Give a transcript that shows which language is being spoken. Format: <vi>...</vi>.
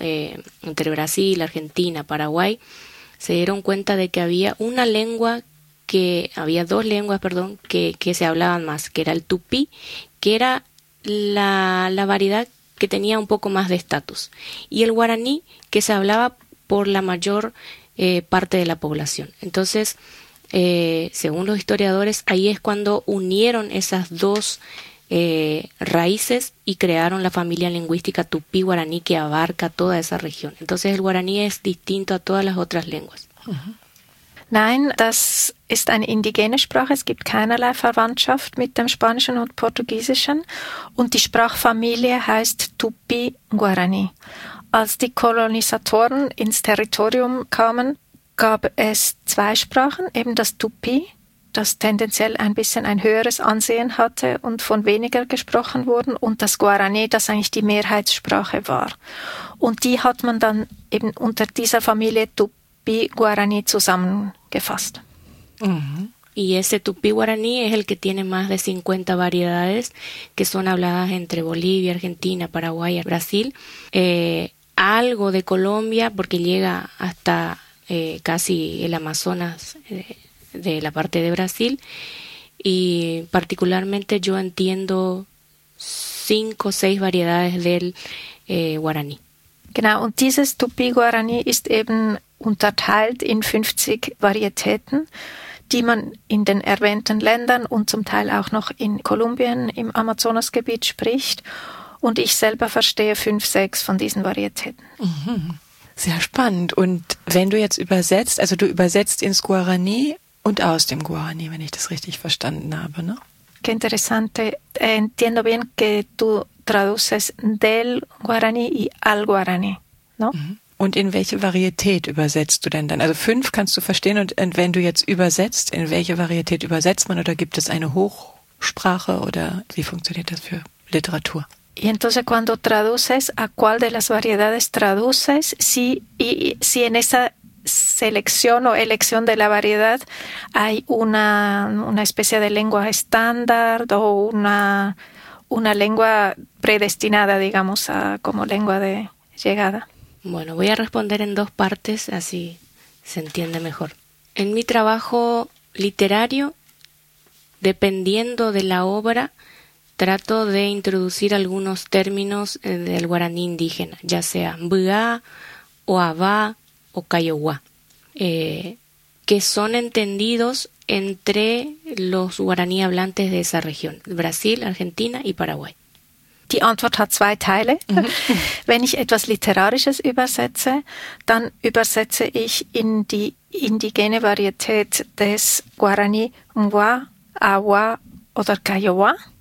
<es>Entre Brasil, Argentina, Paraguay, se dieron cuenta de que había una lengua, que había dos lenguas, perdón, que se hablaban más, que era el tupí, que era la variedad que tenía un poco más de estatus, y el guaraní, que se hablaba por la mayor parte de la población. Entonces, según los historiadores, ahí es cuando unieron esas dos raíces y crearon la familia lingüística tupí-guaraní, que abarca toda esa región. Entonces, el guaraní es distinto a todas las otras lenguas.</es> <de>Nein, das ist eine indigene Sprache. Es gibt keinerlei Verwandtschaft mit dem Spanischen und Portugiesischen. Und die Sprachfamilie heißt Tupi-Guarani. Als die Kolonisatoren ins Territorium kamen, gab es zwei Sprachen, eben das Tupi, das tendenziell ein bisschen ein höheres Ansehen hatte und von weniger gesprochen wurden, und das Guarani, das eigentlich die Mehrheitssprache war. Und die hat man dann eben unter dieser Familie Tupi Guaraní zusammengefasst.</de> <es>Y ese tupí guaraní es el que tiene más de 50 variedades que son habladas entre Bolivia, Argentina, Paraguay, Brasil, algo de Colombia, porque llega hasta casi el Amazonas de la parte de Brasil, y particularmente yo entiendo 5 o 6 variedades del guaraní.</es> <de>Genau, und dieses tupí guaraní ist eben unterteilt in 50 Varietäten, die man in den erwähnten Ländern und zum Teil auch noch in Kolumbien im Amazonasgebiet spricht. Und ich selber verstehe 5, 6 von diesen Varietäten. Sehr spannend. Und wenn du jetzt übersetzt, also du übersetzt ins Guarani und aus dem Guarani, wenn ich das richtig verstanden habe, ne?</de> <es>Qué interesante. Entiendo bien que tú traduces del Guarani y al Guarani, ¿no?</es> <de>Und in welche Varietät übersetzt du denn dann? Also 5 kannst du verstehen, und wenn du jetzt übersetzt, in welche Varietät übersetzt man, oder gibt es eine Hochsprache, oder wie funktioniert das für Literatur?</de> <es>Y entonces cuando traduces, ¿a cuál de las variedades traduces? Si, y, si en esa selección o elección de la variedad hay una especie de lengua estándar o una lengua predestinada, digamos, a, como lengua de llegada. Bueno, voy a responder en 2 partes, así se entiende mejor. En mi trabajo literario, dependiendo de la obra, trato de introducir algunos términos del guaraní indígena, ya sea mbuá, o abá, o kayowá, que son entendidos entre los guaraní hablantes de esa región, Brasil, Argentina y Paraguay.</es> <de>Die Antwort hat 2 Teile. Wenn ich etwas Literarisches übersetze, dann übersetze ich in die indigene Varietät des Guarani Mwa, Awa oder Kayowa.</de>